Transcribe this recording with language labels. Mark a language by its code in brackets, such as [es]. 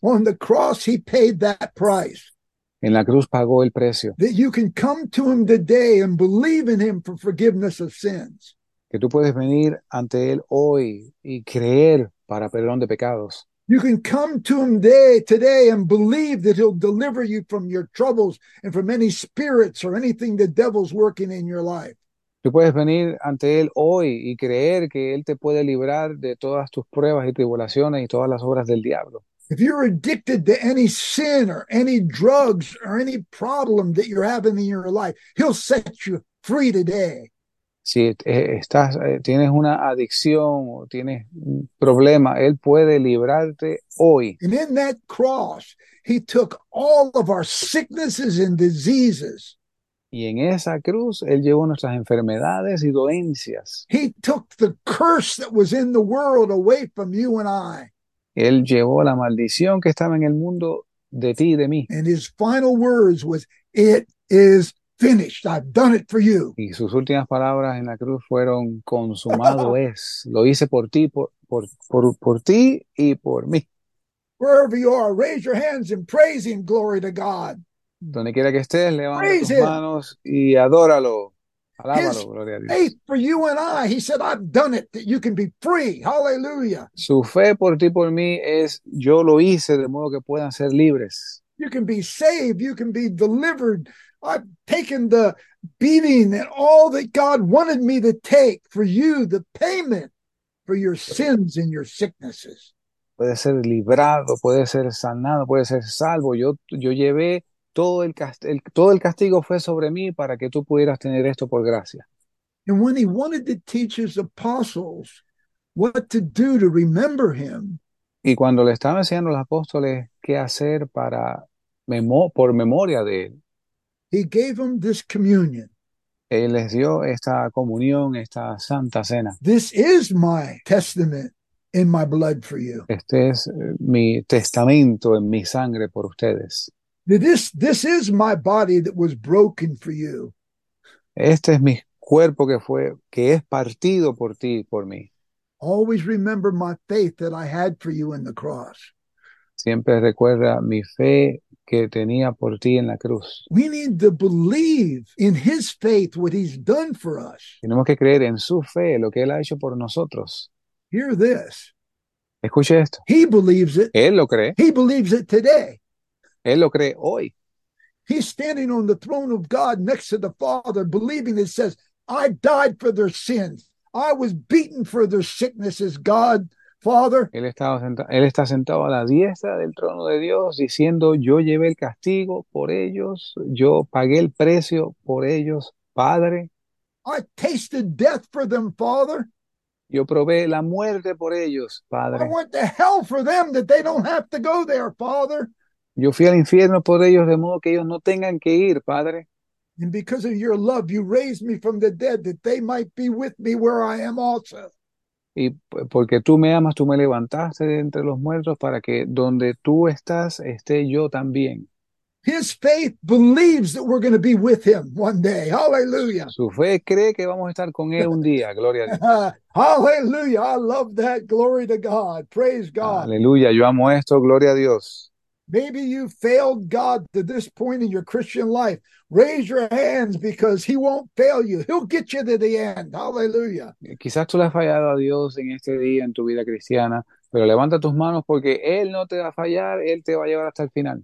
[en] On the cross, he paid that price. [es] En la cruz pagó el precio. [en] That you can come to him today and believe in him for forgiveness of sins. [es] Que tú puedes venir ante él hoy y creer para perdón de pecados. [en] You can come to him today and believe that he'll deliver you from your troubles and from any spirits or anything the devil's working in your life. [es] Tú puedes venir ante Él hoy y creer que Él te puede librar de todas tus pruebas y tribulaciones y todas las obras del diablo. [en] If you're addicted to any sin or any drugs or any problem that you're having in your life, he'll set you free today. [es] Si estás, tienes una adicción o tienes un problema, Él puede librarte hoy. [en] And in that cross, he took all of our sicknesses and diseases. [es] Y en esa cruz él llevó nuestras enfermedades y dolencias. [en] He took the curse that was in the world away from you and I. [es] Él llevó la maldición que estaba en el mundo de ti y de mí. [en] And his final words was, It is finished. I've done it for you. [es] Y sus últimas palabras en la cruz fueron: Consumado es. Lo hice por ti, por ti y por mí. [en] Wherever you are, raise your hands and praise him. Glory to God. [es] Donde quiera que estés, levanta [en] Praise [es] tus [en] him. [es] manos y adóralo. His gloria a Dios. [en] faith for you and I, he said, I've done it, that you can be free. Hallelujah. [es] Su fe por ti por mí es yo lo hice de modo que puedan ser libres. [en] You can be saved, you can be delivered. I've taken the beating and all that God wanted me to take for you, the payment for your sins and your sicknesses. [es] Puede ser librado, puede ser sanado, puede ser salvo. Yo llevé todo el castigo fue sobre mí para que tú pudieras tener esto por gracia. [en] And when he wanted to teach his apostles what to do to remember him, [es] y cuando le estaba enseñando a los apóstoles qué hacer para por memoria de él, [en] he gave them this communion. [es] Él les dio esta comunión, esta santa cena. [en] This is my testament in my blood for you. [es] Este es mi testamento en mi sangre por ustedes. [en] This is my body that was broken for you. [es] Este es mi cuerpo que es partido por ti y por mí. [en] Always remember my faith that I had for you in the cross. [es] Siempre recuerda mi fe que tenía por ti en la cruz. [en] We need to believe in his faith what he's done for us. [es] Tenemos que creer en su fe, lo que él ha hecho por nosotros. [en] Hear this. [es] Escuche esto. [en] He believes it. [es] Él lo cree. [en] He believes it today. [es] Él lo cree hoy. [en] He's standing on the throne of God next to the Father, believing it says, I died for their sins. I was beaten for their sicknesses, God, Father. [es] Él está sentado a la diestra del trono de Dios diciendo, yo llevé el castigo por ellos, yo pagué el precio por ellos, Padre. [en] I tasted death for them, Father. [es] Yo probé la muerte por ellos, Padre. [en] I went to hell for them that they don't have to go there, Father. [es] Yo fui al infierno por ellos de modo que ellos no tengan que ir, Padre. [en] And because of your love, you raised me from the dead that they might be with me where I am also. [es] Y porque tú me amas, tú me levantaste de entre los muertos para que donde tú estás, esté yo también. [en] His faith believes that we're going to be with him one day. Hallelujah. [es] Su fe cree que vamos a estar con él un día. Gloria a Dios. [en] Hallelujah. I love that. Glory to God. Praise God. [es] Aleluya. Yo amo esto. Gloria a Dios. [en] Maybe you failed God to this point in your Christian life. Raise your hands because he won't fail you. He'll get you to the end. Hallelujah. [es] Quizás tú le has fallado a Dios en este día en tu vida cristiana, pero levanta tus manos porque él no te va a fallar, él te va a llevar hasta el final.